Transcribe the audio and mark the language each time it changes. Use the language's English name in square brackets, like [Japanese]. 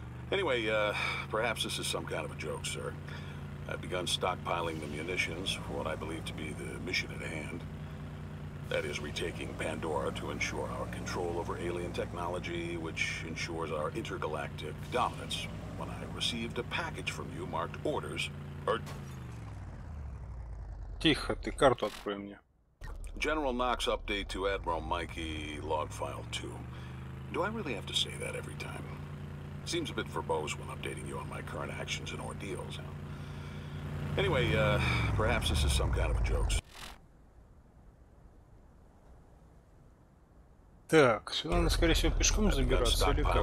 [English] Anyway, perhaps this is some kind of a joke, sir. I've begun stockpiling the munitions for what I believe to be the mission at hand. That is retaking Pandora to ensure our control over alien technology, which ensures our intergalactic dominance. When I received a package from you marked orders. [Russian] Тихо, ты карту открой мне. [English] General Knox update to Admiral Mikey log file 2. Do I really have to say that every time? Seems a bit verbose when updating you on my current actions and ordeals. Anyway, perhaps this is some kind of a joke. [Russian] Так, сюда надо, скорее всего, пешком забираться, или как